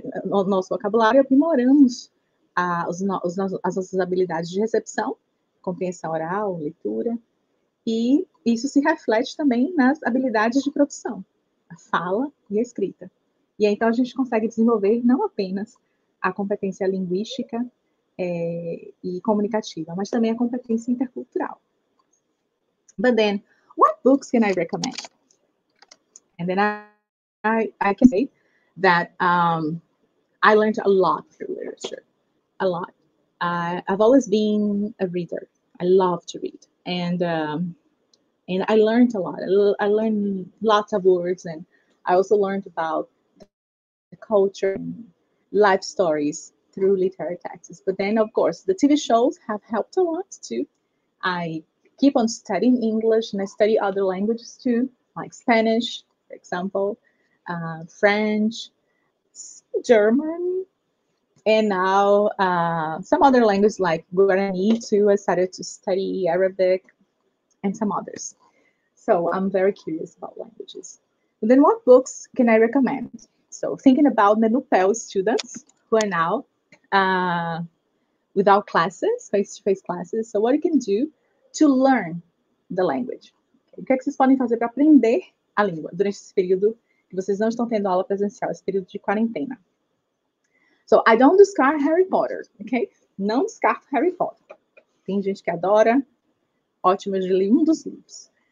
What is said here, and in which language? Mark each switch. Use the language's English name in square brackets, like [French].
[Portuguese] O nosso vocabulário, aprimoramos as nossas habilidades de recepção, compreensão oral, leitura, e isso se reflete também nas habilidades de produção, a fala e a escrita. E aí, então, a gente consegue desenvolver não apenas a competência linguística e comunicativa, mas também a competência intercultural. [English] But then, what books can I recommend? And then I can say that I learned a lot through literature, a lot. I've always been a reader. I love to read. And I learned a lot. I learned lots of words, and I also learned about the culture and life stories through literary texts. But then, of course, the TV shows have helped a lot, too. I keep on studying English, and I study other languages, too, like Spanish, for example, French, German, and now some other languages like Guarani, too. I started to study Arabic and some others. So I'm very curious about languages. But then what books can I recommend? So thinking about the NUPEL students who are now without classes, face-to-face classes, so what you can do to learn the language? [Portuguese] O que vocês podem fazer para aprender a língua durante esse período que vocês não estão tendo aula presencial, esse período de quarentena? [English] So I don't discard Harry Potter, okay? [Portuguese] Não descarto Harry Potter. Tem gente que adora, ótimo, eu li um dos livros.